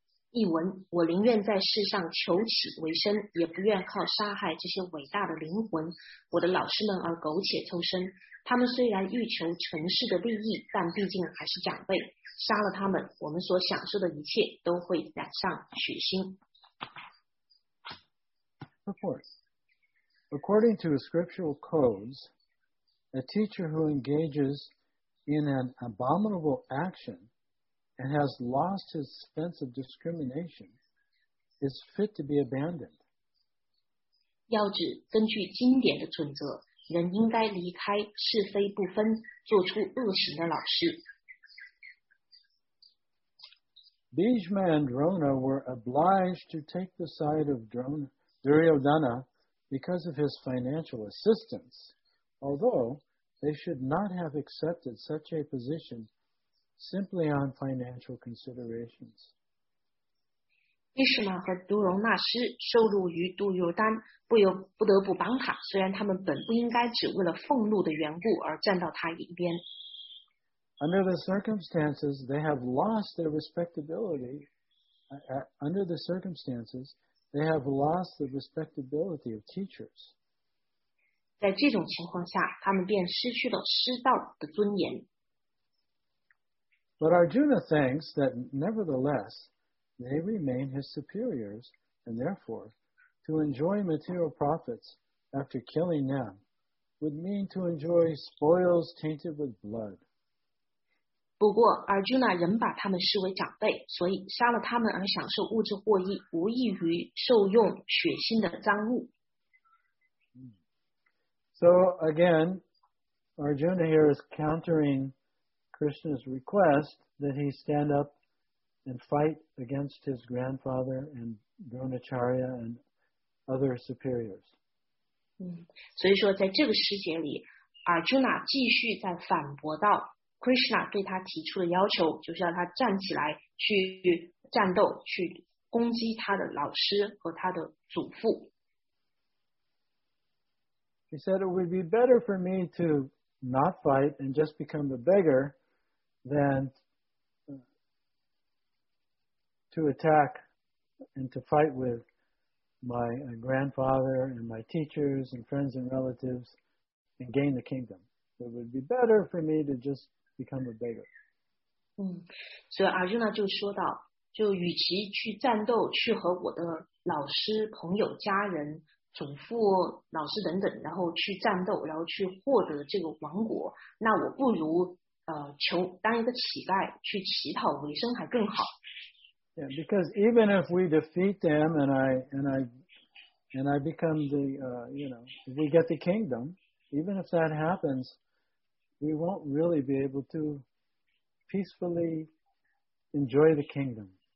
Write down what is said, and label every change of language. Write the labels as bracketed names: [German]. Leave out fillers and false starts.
[Chinese] 译文，我宁愿在世上求起为生，也不愿靠杀害这些伟大的灵魂，我的老师们而苟且偷生。他们虽然欲求尘世的利益，但毕竟还是长辈。杀了他们，我们所享受的一切都会染上血腥。 [English] Report. According to scriptural codes, a teacher who engages in an abominable action and has lost his sense of discrimination is fit to be abandoned. [Chinese] 要指根据经典的准则，人应该离开是非不分、做出恶行的老师。 [English] Bhishma and Drona were obliged to take the side of Duryodhana because of his financial assistance, although they should not have accepted such a position simply on financial considerations. [Chinese] Bhishma 和 Duryodhana 师受辱于 Duryodhana 不得不帮他，虽然他们本不应该只为了俸禄的缘故而站到他一边。 [English] Under the circumstances, they have lost their respectability. Under the circumstances, they have lost the respectability of teachers. [Chinese] 在这种情况下，他们便失去了师道的尊严。 [English] But Arjuna thinks that nevertheless, they remain his superiors, and therefore, to enjoy material profits after killing them would mean to enjoy spoils tainted with blood. [Chinese] 不过 Arjuna 仍把他们视为长辈，所以杀了他们而享受物质获益，无异于受用血腥的赃物。 [English] So again, Arjuna here is countering Krishna's request that he stand up and fight against his grandfather and Dronacharya and other superiors. [Chinese] 所以说在这个时节里， Arjuna 继续在反驳道Krishna 对他提出的要求，就是要他站起来去战斗，去攻击他的老师和他的祖父。 [English] He said it would be better for me to not fight and just become a beggar than to attack and to fight with my grandfather and my teachers and friends and relatives and gain the kingdom. It would be better for me to just. Become a beggar. [Chinese] 所以 Arjuna 就说到，就与其去战斗，去和我的老师、朋友、家人、祖父、老师等等，然后去战斗，然后去获得这个王国，那我不如求当一个乞丐，去乞讨为生还更好。 [English] Yeah, because even if we defeat them and I become the if we get the kingdom, even if that happens. We won't really be able to peacefully enjoy the kingdom.